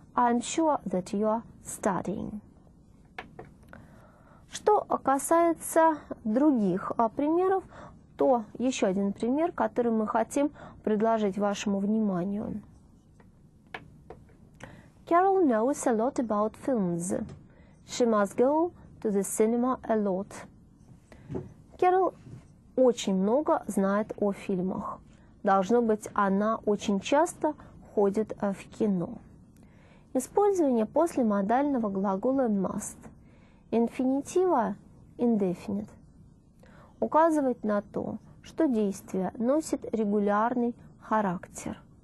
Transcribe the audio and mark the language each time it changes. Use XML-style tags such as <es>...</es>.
<en>I'm sure that you are studying.</en> <ru>Что касается других примеров, то еще один пример, который мы хотим предложить вашему вниманию.</ru> <en>Carol knows a lot about films. She must go to the cinema a lot.</en> <ru>Carol очень много знает о фильмах. Должно быть, она очень часто ходит в кино. Использование после модального глагола must, инфинитива indefinite, указывает на то, что действие носит регулярный характер.</ru>